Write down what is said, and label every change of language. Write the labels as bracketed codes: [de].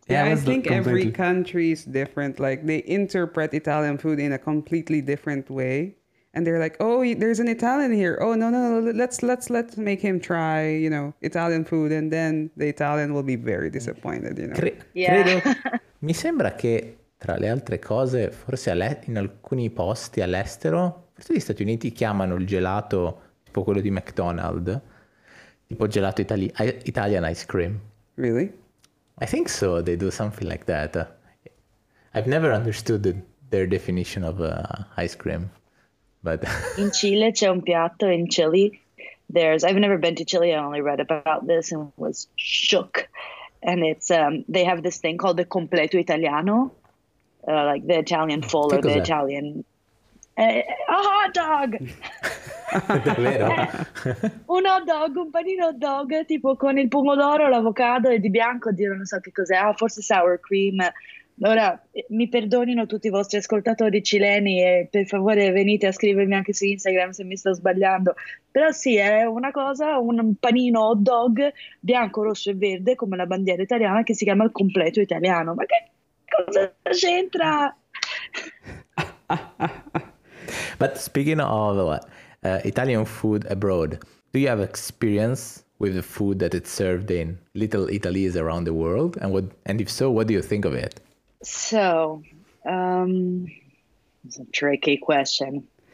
[en] Yeah, I think every country is different. Like, they interpret Italian food in a completely different way. And they're like, oh, there's an Italian here. Oh, no, let's make him try, you know, Italian food. And then the Italian will be very disappointed, you know. [it] Mi sembra che, tra le altre cose, forse in alcuni posti all'estero, forse gli Stati Uniti chiamano il gelato, tipo quello di McDonald's, tipo gelato Italian ice cream. [en] Really? I think so, they do something like that. I've never understood their definition of ice cream. But [it] in Chile c'è un piatto in Chile. [en] I've never been to Chile. I only read about this and was shook. And it's they have this thing called the completo italiano, like the Italian full or the Italian a hot dog. [it] Un hot dog, un panino hot dog, tipo con il pomodoro, l'avocado e di bianco, Dio non so che cos'è, forse sour cream. Allora, mi perdonino tutti i vostri ascoltatori cileni e per favore venite a scrivermi anche su Instagram se mi sto sbagliando. Però sì, è una cosa, un panino hot dog bianco, rosso e verde come la bandiera italiana che si chiama il completo italiano. Ma che cosa c'entra? [en] But speaking of Italian food abroad, do you have experience with the food that it's served in Little Italy's around the world? And if so, what do you think of it? So, it's a tricky question.